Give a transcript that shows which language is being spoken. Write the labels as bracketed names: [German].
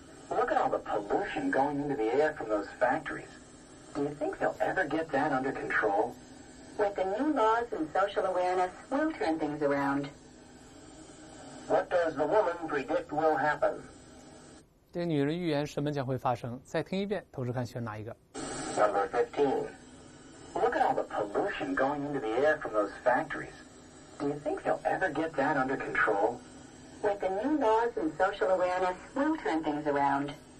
[English] Look at all the pollution going into the air from those factories. Do you think they'll ever get that under control? With the new laws and social awareness, we'll turn things around. What does the woman predict will happen? [Chinese] 这女人预言什么将会发生？再听一遍，同时看选哪一个。 [English] Number 15. Look at all the pollution going into the air from those factories. Do you think they'll ever get that under control? With the new laws and social awareness, we'll turn things around.